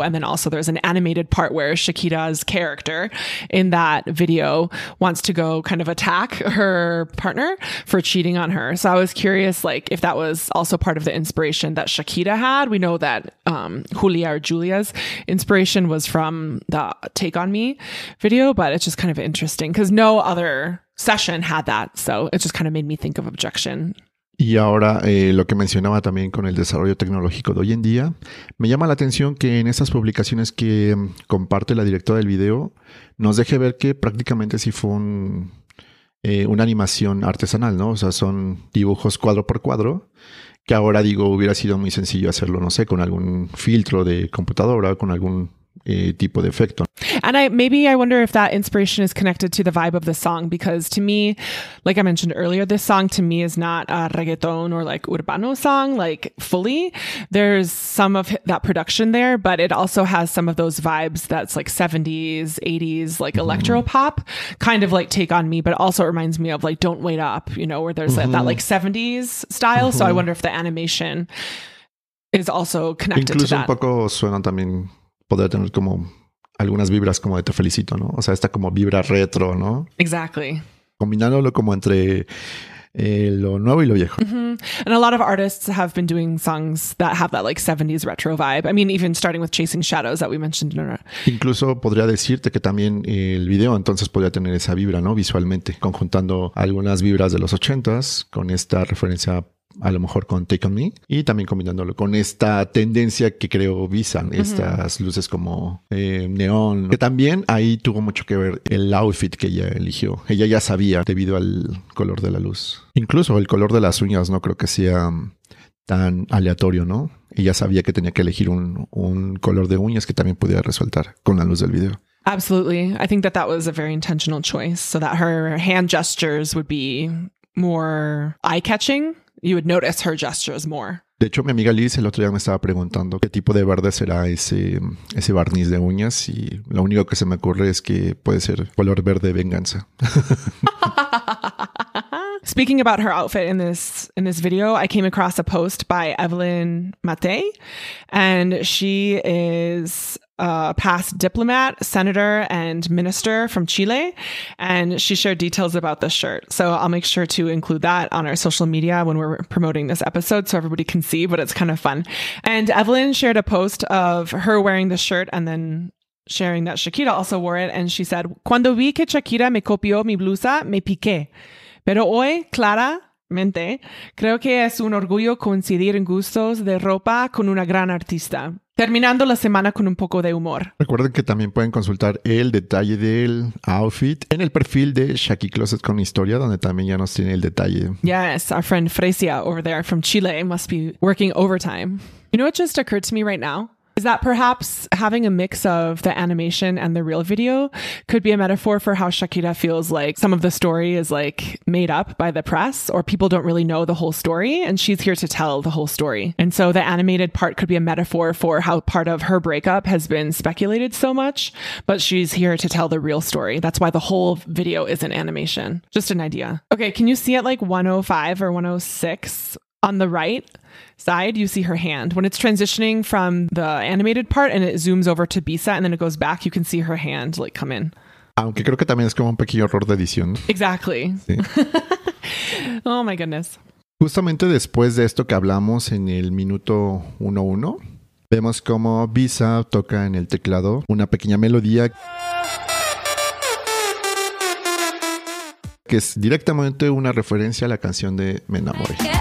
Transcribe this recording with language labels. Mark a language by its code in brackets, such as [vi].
[en] And then also there's an animated part where Shakira's character in that video wants to go kind of attack her partner for cheating on her. So I was curious, like, if that was also part of the inspiration that Shakira had. We know that Julia or Julia's inspiration was from the Take On Me video, but it's just kind of interesting because no other session had that. So it just kind of made me think of Objection. [es] Y ahora lo que mencionaba también con el desarrollo tecnológico de hoy en día, me llama la atención que en esas publicaciones que comparte la directora del video, nos deje ver que prácticamente sí fue una animación artesanal, ¿no? O sea, son dibujos cuadro por cuadro, que ahora digo, hubiera sido muy sencillo hacerlo, no sé, con algún filtro de computadora, con algún tipo de efecto. [en] And I wonder if that inspiration is connected to the vibe of the song, because to me, like I mentioned earlier, this song to me is not a reggaeton or like urbano song, like fully. There's some of that production there, but it also has some of those vibes that's like 70s, 80s, like electro pop, kind of like Take On Me, but also it reminds me of like Don't Wait Up, you know, where there's mm-hmm. that like 70s style. Mm-hmm. So I wonder if the animation is also connected [es] Incluso [en] to that. [es] Incluso un poco suena también poder tener como algunas vibras como de Te Felicito, ¿no? O sea, esta como vibra retro, ¿no? [en] Exactly. [es] Combinándolo como entre Lo nuevo y lo viejo. Mm-hmm. [en] And a lot of artists have been doing songs that have that like 70s retro vibe. I mean, even starting with Chasing Shadows that we mentioned in our... [es] Incluso podría decirte que también el video entonces podría tener esa vibra, ¿no? Visualmente, conjuntando algunas vibras de los 80s con esta referencia a lo mejor con Take On Me y también combinándolo con esta tendencia que creo Visa, uh-huh. estas luces como neón, que también ahí tuvo mucho que ver el outfit que ella eligió. Ella ya sabía debido al color de la luz. Incluso el color de las uñas no creo que sea tan aleatorio, ¿no? Ella sabía que tenía que elegir un color de uñas que también pudiera resaltar con la luz del video. [en] Absolutely. I think that was a very intentional choice so that her hand gestures would be more eye-catching. You would notice her gestures more. [es] De hecho, mi amiga Liz el otro día me estaba preguntando qué tipo de verde será ese barniz de uñas y lo único que se me ocurre es que puede ser color verde venganza. [en] Speaking about her outfit in this video, I came across a post by Evelyn Matei, and she is a past diplomat, senator, and minister from Chile, and she shared details about this shirt. So I'll make sure to include that on our social media when we're promoting this episode so everybody can see, but it's kind of fun. And Evelyn shared a post of her wearing the shirt and then sharing that Shakira also wore it, and she said, [es] "Cuando vi que Shakira me copió mi blusa, me piqué. Pero hoy, claramente, creo que es un orgullo coincidir en gustos de ropa con una gran artista. Terminando la semana con un poco de humor." Recuerden que también pueden consultar el detalle del outfit en el perfil de Shaki Closet con Historia, donde también ya nos tiene el detalle. [en] Yes, our friend Fresia over there from Chile must be working overtime. You know what just occurred to me right now? Is that perhaps having a mix of the animation and the real video could be a metaphor for how Shakira feels like some of the story is like made up by the press or people don't really know the whole story and she's here to tell the whole story. And so the animated part could be a metaphor for how part of her breakup has been speculated so much, but she's here to tell the real story. That's why the whole video is an animation. Just an idea. Okay, can you see it like 105 or 106 on the right side, you see her hand. When it's transitioning from the animated part and it zooms over to Bisa and then it goes back, you can see her hand like come in. [es] Aunque creo que también es como un pequeño error de edición. [en] Exactly. Sí. Oh my goodness. [es] Justamente después de esto que hablamos en el minuto 1-1, vemos como Bisa toca en el teclado una pequeña melodía que es directamente una referencia a la canción de Me Enamoré.